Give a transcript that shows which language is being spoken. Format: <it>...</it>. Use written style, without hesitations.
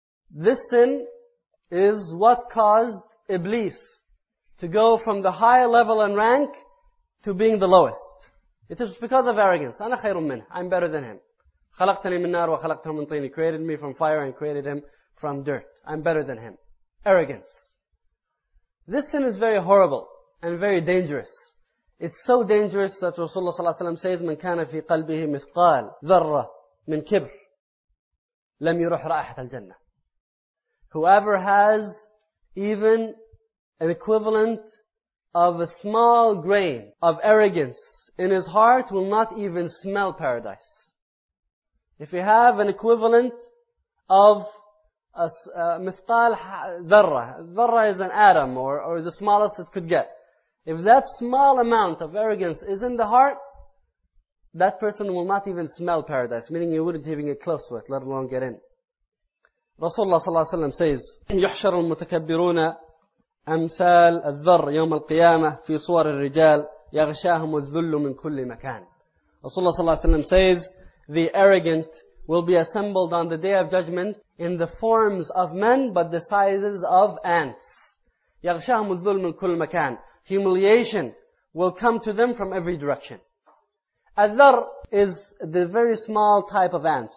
<en>This sin is what caused Iblis to go from the high level and rank to being the lowest. It is because of arrogance.</en> <ar>أنا خير منه.</ar> <en>I'm better than him.</en> <ar>خلقتني من نار وخلقته من طين.</ar> <en>He created me from fire and created him from dirt. I'm better than him. Arrogance. This sin is very horrible and very dangerous. It's so dangerous that Rasulullah sallallahu alaihi wasallam says,</en> <ar>من كان في قلبه مثقال ذرة من كبر لم يروح رائحة الجنة.</ar> <en>Whoever has even an equivalent of a small grain of arrogance in his heart will not even smell paradise. If you have an equivalent of a mithqal dharra, dharra is an atom or the smallest it could get. If that small amount of arrogance is in the heart, that person will not even smell paradise, meaning you wouldn't even get close with, let alone get in. Rasulullah sallallahu alaihi wasallam says,</en> <ar>يحشر المتكبرون أمثال الذر يوم القيامة في صور الرجال يغشاهم الذل من كل مكان.</ar> <en>Rasulullah sallallahu alaihi wasallam says, the arrogant will be assembled on the day of judgment in the forms of men, but the sizes of ants.</en> <ar>يغشاهم الذل من كل مكان.</ar> <en>Humiliation will come to them from every direction. الذر is the very small type of ants.</en>